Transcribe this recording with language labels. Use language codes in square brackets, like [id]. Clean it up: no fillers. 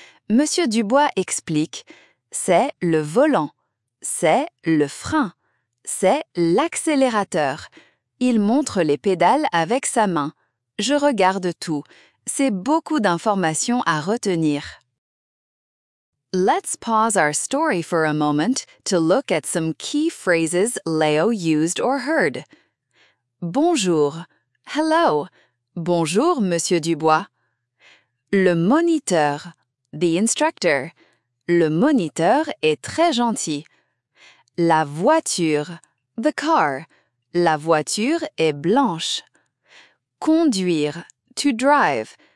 [fr] Monsieur Dubois explique « C'est le volant. C'est le frein. C'est l'accélérateur. » Il montre les pédales avec sa main. Je regarde tout. C'est beaucoup d'informations à retenir. [en] Let's pause our story for a moment to look at some key phrases Leo used or heard. [fr] Bonjour. [en] Hello. [fr] Bonjour, Monsieur Dubois. Le moniteur. [en] The instructor. [fr] Le moniteur est très gentil. La voiture. [en] The car. [fr] La voiture est blanche. Conduire. [en] To drive.